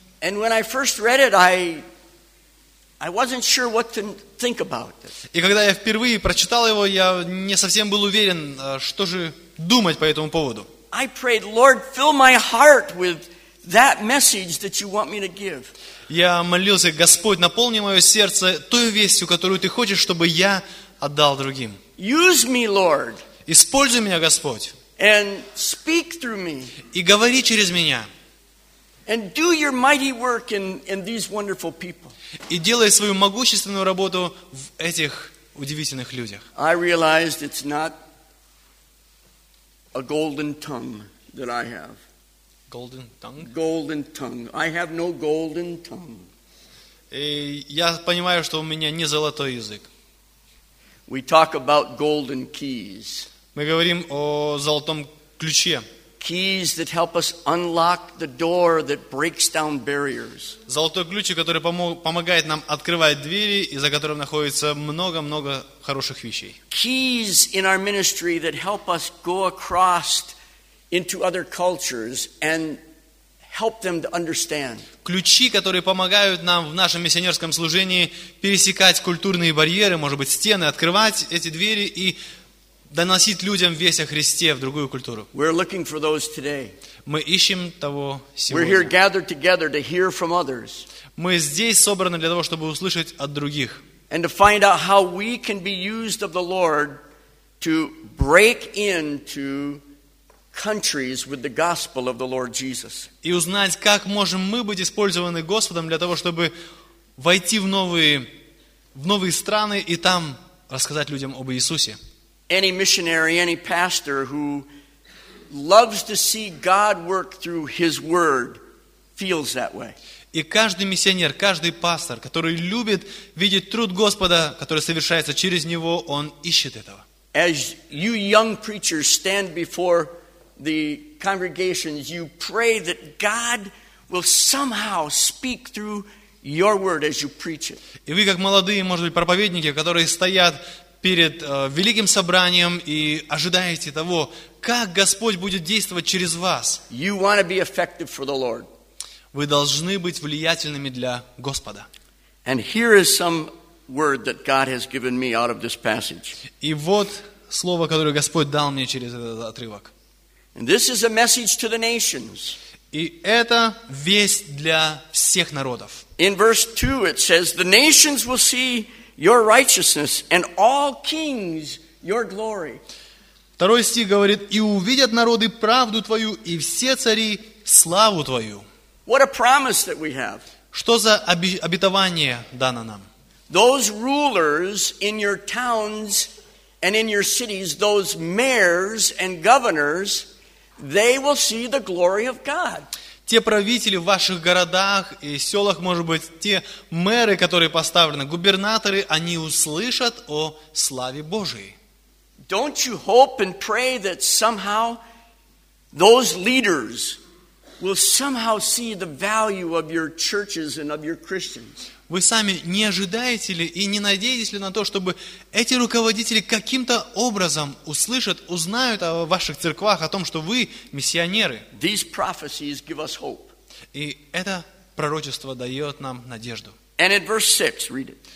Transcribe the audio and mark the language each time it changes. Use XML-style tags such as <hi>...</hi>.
<en>And when I first read it, I wasn't sure what to think about it.</en> <ru>И когда я впервые прочитал его, я не совсем был уверен, что же думать по этому поводу.</ru> <en>I prayed, Lord, fill my heart with that message that you want me to give.</en> <ru>Я молился, Господь, наполни мое сердце той вестью, которую ты хочешь, чтобы я отдал другим.</ru> <en>Use me, Lord.</en> <ru>Используй меня, Господь.</ru> <en>And speak through me.</en> <ru>И говори через меня.</ru> <en>And do your mighty work in these wonderful people.</en> <ru>И делай свою могущественную работу в этих удивительных людях.</ru> <en>I realized it's not a golden tongue that I have. Golden tongue? Golden tongue. I have no golden tongue.</en> <ru>И я понимаю, что у меня не золотой язык.</ru> <en>We talk about golden keys.</en> <ru>Мы говорим о золотом ключе.</ru> <en>Keys that help us unlock the door that breaks down barriers.</en> <ru>Золотой ключ, который помогает нам открывать двери, и за которым находится много хороших вещей.</ru> <en>Keys in our ministry that help us go across into other cultures and help them to understand.</en> <ru>Ключи, которые помогают нам в нашем миссионерском служении пересекать культурные барьеры, может быть, стены, открывать эти двери и доносить людям весть о Христе в другую культуру.</ru> <en>We're looking for those today.</en> <ru>Мы ищем того сегодня.</ru> <en>We're here gathered together to hear from others.</en> <ru>Мы здесь собраны для того, чтобы услышать от других.</ru> <en>And to find out how we can be used of the Lord to break into countries with the gospel of the Lord Jesus.</en> <ru>И узнать, как можем мы быть использованы Господом для того, чтобы войти в новые страны и там рассказать людям об Иисусе.</ru> <en>Any missionary, any pastor who loves to see God work through His Word feels that way.</en> <ru>И каждый миссионер, каждый пастор, который любит видеть труд Господа, который совершается через него, он ищет этого.</ru> <en>As you young preachers stand before the congregations, you pray that God will somehow speak through your word as you preach it.</en> <ru>И вы, как молодые, может быть, проповедники, которые стоят перед великим собранием и ожидаете того, как Господь будет действовать через вас.</ru> <en>You want to be effective for the Lord.</en> <ru>Вы должны быть влиятельными для Господа.</ru> <en>And here is some word that God has given me out of this passage.</en> <ru>И вот слово, которое Господь дал мне через этот отрывок.</ru> <en>And this is a message to the nations.</en> <ru>И это весть для всех народов.</ru> <en>In verse 2 it says, the nations will see your righteousness and all kings your glory.</en> <ru>Второй стих говорит, и увидят народы правду твою и все цари славу твою.</ru> <en>What a promise that we have.</en> <ru>Что за обетование дано нам?</ru> <en>Those rulers in your towns and in your cities, those mayors and governors, they will see the glory of God.</en> <ru>Те правители в ваших городах и селах, может быть, те мэры, которые поставлены, губернаторы, они услышат о славе Божией.</ru> <en>Don't you hope and pray that somehow those leaders will somehow see the value of your churches and of your Christians?</en> <ru>Вы сами не ожидаете ли и не надеетесь ли на то, чтобы эти руководители каким-то образом услышат, узнают о ваших церквах, о том, что вы миссионеры?</ru> <en>These prophecies give us hope.</en> <ru>И это пророчество дает нам надежду.</ru> <en>And in verse 6, read it.</en>